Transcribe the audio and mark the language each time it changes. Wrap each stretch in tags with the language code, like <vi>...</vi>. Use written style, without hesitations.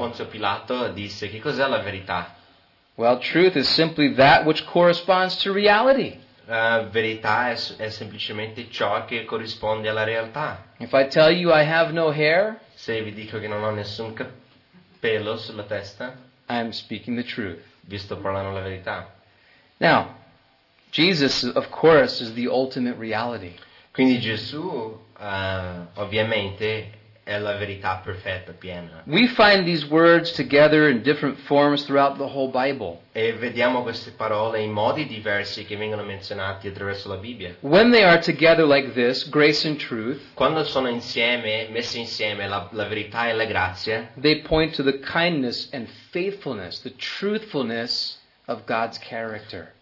<it>Pontio Pilato disse, "Che cos'è la verità?"</it> <en>Well, truth is simply that which corresponds to reality.</en> <it>Verità è semplicemente ciò che corrisponde alla realtà.</it> <en>If I tell you I have no hair,</en> <it>se vi dico che non ho nessun capello sulla testa,</it> <en>I'm speaking the truth.</en> <it>Vi sto parlando la verità.</it> <en>Now, Jesus, of course, is the ultimate reality.</en> <it>Quindi Gesù, ovviamente, è la verità perfetta, piena.</it> <en>We find these words together in different forms throughout the whole Bible.</en> <it>E vediamo queste parole in modi diversi che vengono menzionati attraverso la Bibbia.</it> <en>When they are together like this, grace and truth,</en> <it>quando sono insieme, messi insieme, la verità e la grazia,</it> <en>they point to the kindness and faithfulness, the truthfulness of God's character.</en>